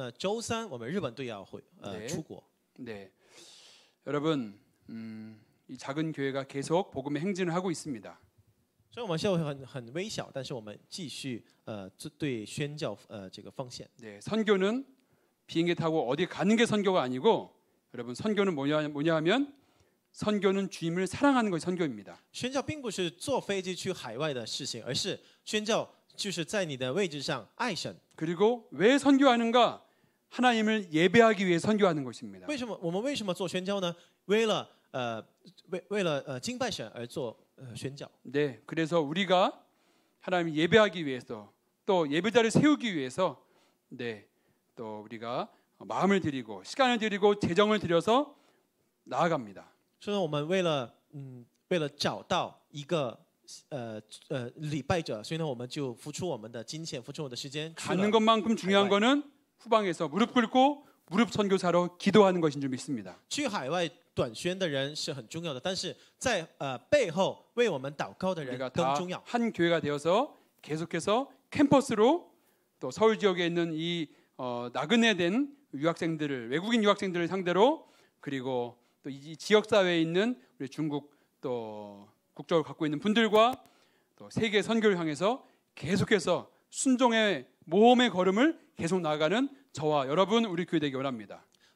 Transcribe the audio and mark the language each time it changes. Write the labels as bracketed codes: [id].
[zh] 这周一泰国队要回国，然后呢，周三我们日本队要回出国。 [ko] 네, 네, 여러분, 이 작은 교회가 계속 복음의 행진을 하고 있습니다. [zh] 所以我们教会很微小，但是我们继续对宣教这个奉献。 [ko] 네, 선교는 비행기 타고 어디 가는 게 선교가 아니고, 여러분 선교는 뭐냐 하면 선교는 주님을 사랑하는 것이 선교입니다. [zh] 宣教并不是坐飞机去海外的事情，而是宣教。就是在你的位置上爱神. [ko] 그리고 왜 선교하는가? 하나님을 예배하기 위해 선교하는 것입니다. [zh] 为什么我们为什么做宣教呢？为了敬拜神而做宣教. [ko] 네, 그래서 우리가 하나님을 예배하기 위해서 또 예배자를 세우기 위해서 네, 또 우리가 마음을 드리고 시간을 드리고 재정을 드려서 나아갑니다. [zh] 所以我们为了找到一个礼拜者, 所以呢我们就付出我们的金钱, 付出我们的时间, [ko] 가는 것만큼 중요한 [zh] 海外. [ko] 거는 후방에서 무릎 꿇고 무릎 선교사로 기도하는 것인 줄 믿습니다. [zh] 去海外短宣的人是很重要的，但是在背后为我们祷告的人更重要。 [ko] 한 교회가 되어서 계속해서 캠퍼스로 또 서울 지역에 있는 이 나그네 된 유학생들을 외국인 유학생들을 상대로 그리고 또 이 지역 사회에 있는 우리 중국 또 국적을 갖고 있는 분들과 또 세계 선교를 향해서 계속해서 순종의 모험의 걸음을 계속 나아가는 저와 여러분 우리 교회 되기 원합니다.